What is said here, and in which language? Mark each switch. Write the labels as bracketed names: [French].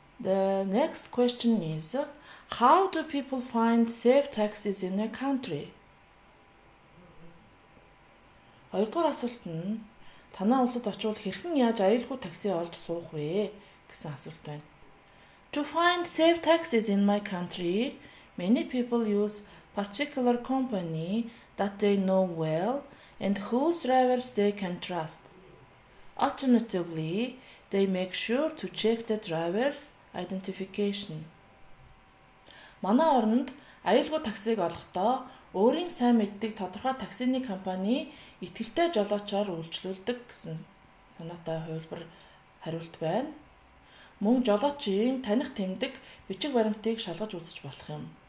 [English] The next question is, how do people find safe taxis in a country? [Mongolian] Хоёрдугаар асуулт нь танаа улсад очивол хэрхэн яаж аюулгүй такси олж суух вэ гэсэн асуулт байна. [English] To find safe taxis in my country, many people use particular company that they know well and whose drivers they can trust. Alternatively, they make sure to check the driver's identification. [Mongolian] Манай орнд аюулгүй таксиг олохдоо өөрийн сайн мэддэг тодорхой таксины компани итгэлтэй жолоочоор үйлчлүүлдэг гэсэн санаатай хувилбар хариулт байна. Мөн жолоочийн таних тэмдэг бичиг баримтыг шалгаж үзэж болох юм.